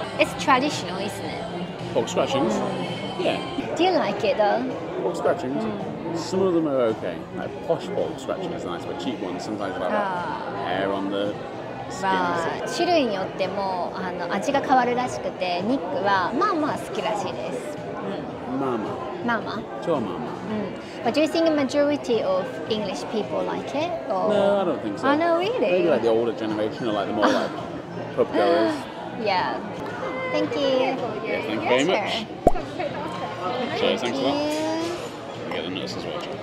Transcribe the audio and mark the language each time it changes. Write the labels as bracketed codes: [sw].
[en] It's traditional, isn't it? Pork scratchings? Yeah. Do you like it though? Pork scratchings?、Some of them are okay. Like posh pork scratchings are nice, but cheap ones sometimes have hair on the skin. [ja] まあ、種類によってもあの味が変わるらしくて、ニックはまあまあ好きらしいです。まあまあ。まあまあ。超まあまあ。 [en] But do you think a majority of English people like it? No, I don't think so. Oh, no, really? Maybe like the older generation or like the more like pub goers. Yeah. Thank you. Yeah, thank you very much. Cheers, thanks a lot. I'll get the nurse as well.